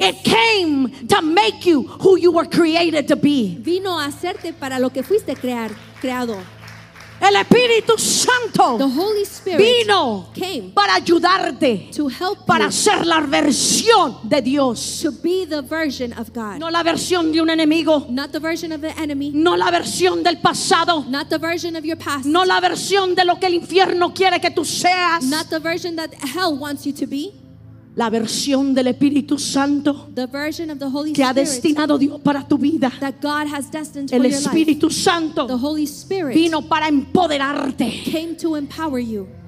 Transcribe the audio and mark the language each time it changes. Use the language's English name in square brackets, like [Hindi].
[English] It came to make you who you were created to be. [Spanish] Vino a hacerte para lo que fuiste creado. El Espíritu Santo, [English] the Holy Spirit, [Spanish] vino, [English] came, [Spanish] para ayudarte, [English] to help, [Spanish] para ser la versión de Dios, [English] to be the version of God, [Spanish] no la versión de un enemigo, [English] not the version of the enemy, [Spanish] no la versión del pasado, [English] not the version of your past, [Spanish] no la versión de lo que el infierno quiere que tú seas, [English] not the version that hell wants you to be. [Spanish] La versión del Espíritu Santo, [English] the version of the Holy Spirit, [Spanish] que ha destinado Dios para tu vida, [English] that God has destined for [Spanish] el Espíritu [English] your life. [Spanish] Santo, [English] the Holy Spirit, [Spanish] vino para empoderarte, [English] came to empower you,